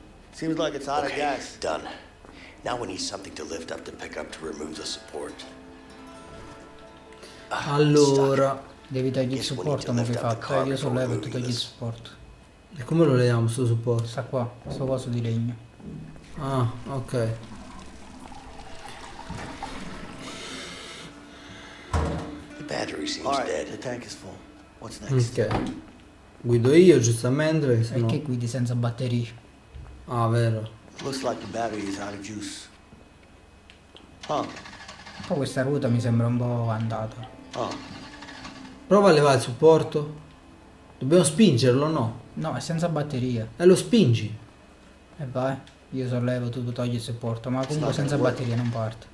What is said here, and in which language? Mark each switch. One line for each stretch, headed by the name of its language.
English: Seems like it's out of gas. Done. Now we need something to lift up to pick up to remove the support.
Italian: Allora, devi togliere il supporto, come hai fatto? Io sollevo e tu togli il supporto. E come lo leviamo sto supporto? Sta qua, sto coso di legno. Ah, ok.
English: The battery seems all right, dead. The tank is full. What's next?
Italian: Ok. Guido io giustamente, perché sennò... Perché guidi senza batteria? Ah, vero.
English: Looks like the battery is out of juice. Huh.
Italian: Poi questa ruota mi sembra un po' andata. Oh. Prova a levare il supporto. Dobbiamo spingerlo, no? No, è senza batteria. E lo spingi. E vai. Io sollevo, tu togli il supporto. Ma comunque senza batteria non parte.